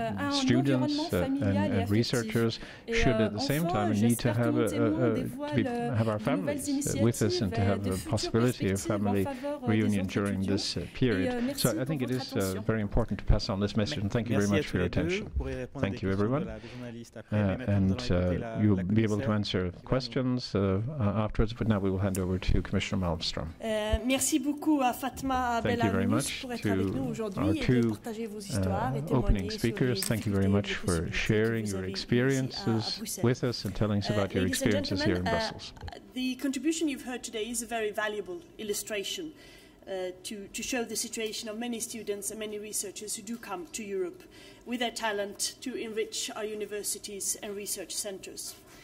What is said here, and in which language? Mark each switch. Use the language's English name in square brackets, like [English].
[English] students and researchers should at the same time need to have our families with us and to have the possibility of family reunion during this period. So I think it is very important to pass on this message. And thank you very much for your attention. Thank you, everyone. And you'll be able to answer questions afterwards. But now we will hand over to Commissioner Malmström. [French] Merci beaucoup à Fatma Abiditi pour être avec nous aujourd'hui et [English] opening speakers. Thank you very much for sharing your experiences with us and telling us about your experiences here in Brussels. The contribution you've heard today is a very valuable illustration. To show the situation of many students and many researchers who do come to Europe with their talent to enrich our universities and research centres.